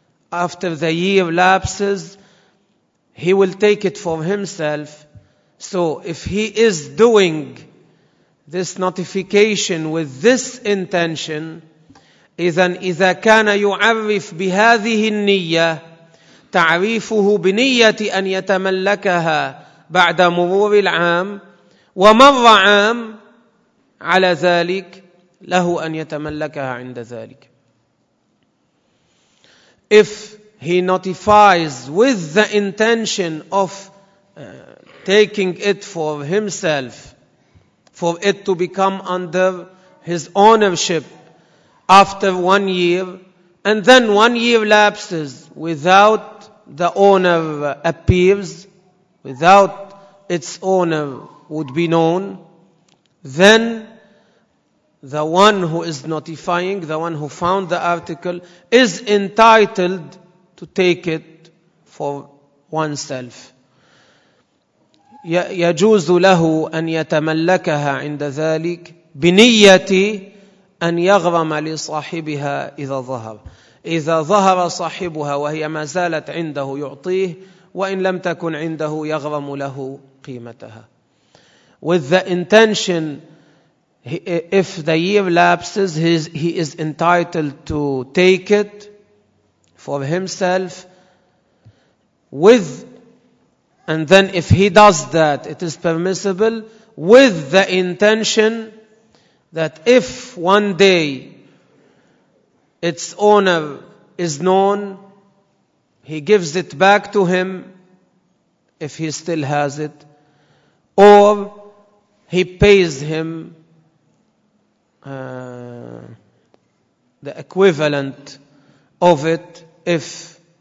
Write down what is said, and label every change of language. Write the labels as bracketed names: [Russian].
[English] After the year lapses, he will take it for himself. So if he is doing this notification with this intention, [Arabic] إذا كان يعرف بهذه النية, تعريفه بنية أن يتملكها بعد مرور العام, ومر عام على ذلك, له أن يتملكها عند ذلك. [English] If he notifies with the intention of taking it for himself, for it to become under his ownership after 1 year, and then 1 year lapses without the owner appears, without its owner would be known, then the one who is notifying, the one who found the article, is entitled to take it for oneself. [Arabic] يجوز له أن يتملكها عند ذلك بنية أن يغرم لصاحبها إذا ظهر. إذا ظهر صاحبها وهي ما زالت عنده يعطيه, وإن لم تكن عنده يغرم له قيمتها. [English] With the intention, if the year lapses, he is entitled to take it for himself, and then if he does that, it is permissible, with the intention that if one day its owner is known, he gives it back to him, if he still has it, or he pays him the equivalent of it if